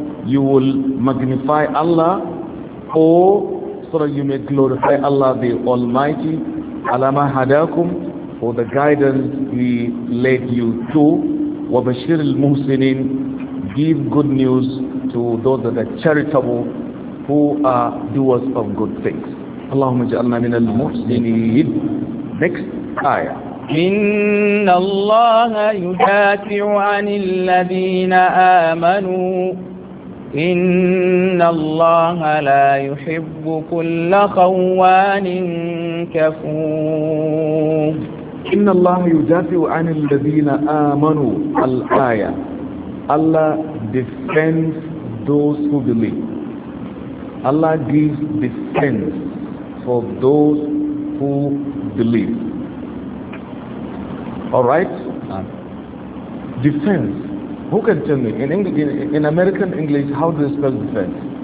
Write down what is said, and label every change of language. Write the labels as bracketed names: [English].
[English] you will magnify Allah, or so that you may glorify Allah the Almighty, [Arabic] alama hadakum, [English] for the guidance we led you to, [Arabic] wa bashir al muhsinin, [English] give good news to those that are charitable, who are doers of good things. [Arabic] Allahumma ja'alna min al muhsinin. [English] Next ayah. [Arabic] إن الله يدافع عن الذين آمنوا إن الله لا يحب كل خوان كفور. إن الله يدافع عن الذين آمنوا الآية. [English] Allah defends those who believe. Allah gives defense for those who believe. All right. Defense. Who can tell me in English, in American English, how do they spell defense?